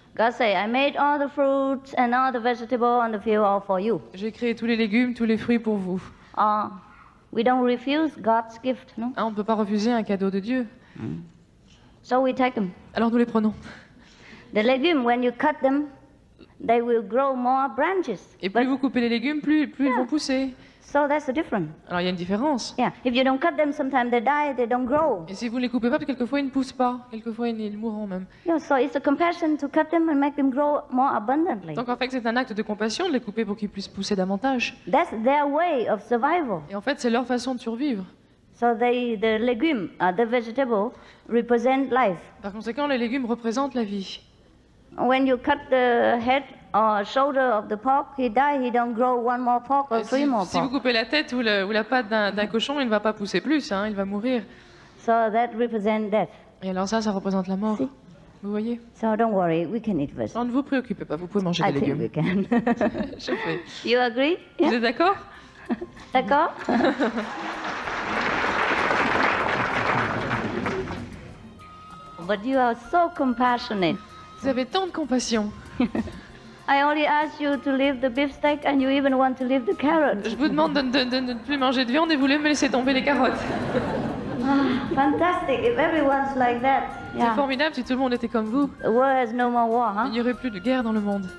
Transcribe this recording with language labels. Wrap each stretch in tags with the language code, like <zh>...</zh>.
<en>God said, I made all the fruits and all the vegetables on the field all for you.</en> <fr>J'ai créé tous les légumes, tous les fruits pour vous.</fr> <en>Ah. We don't refuse God's gift, no?</en> <fr>On ne peut pas refuser un cadeau de Dieu.</fr> <en>So we take them.</en> <fr>Alors nous les prenons.</fr> <en>The legumes, when you cut them, they will grow more branches.</en> <fr>Et plus vous coupez les légumes, plus ils vont pousser.</fr> <en>So that's the difference.</en> <fr>Alors il y a une différence.</fr> <en>Yeah. If you don't cut them, sometimes they die, they don't grow.</en> <fr>Et si vous ne les coupez pas, quelquefois ils ne poussent pas, quelquefois ils mourront même.</fr> <en>Yeah, so it's a compassion to cut them and make them grow more abundantly.</en> <fr>Donc en fait c'est un acte de compassion de les couper pour qu'ils puissent pousser davantage.</fr> <en>That's their way of survival.</en> <fr>Et en fait c'est leur façon de survivre.</fr> <en>So the legumes, the vegetables, represent life.</en> <fr>Par conséquent, les légumes représentent la vie.</fr> <en>When you cut the head or shoulder of the pork, he dies, he don't grow one more pork or three more pork.</en> <fr>Si vous coupez la tête ou la patte d'un cochon, il ne va pas pousser plus, hein, il va mourir.</fr> <en>So that represents death.</en> <fr>Et alors ça représente la mort.</fr> <en>See?</en> <fr>Vous voyez?</fr> <en>So don't worry, we can eat vegetables.</en> <fr>Non, ne vous préoccupez pas, vous pouvez manger</fr> <en>I</en> <fr>des légumes.</fr> <en>I think we can.</en> <fr>Je fais.</fr> <en>You agree?</en> <fr>Vous êtes d'accord? D'accord.</fr> <en>But you are so compassionate.</en> <fr>Vous avez tant de compassion.</fr> <en>I only ask you to leave the beefsteak and you even want to leave the carrots.</en> <fr>Je vous demande de ne plus manger de viande et vous voulez me laisser tomber les carottes.</fr> <en>Fantastic, if everyone's like that.</en> <fr>Yeah. C'est formidable si tout le monde était comme vous.</fr> <en>The world has no more war, huh?</en> <fr>Il n'y aurait plus de guerre dans le monde.</fr>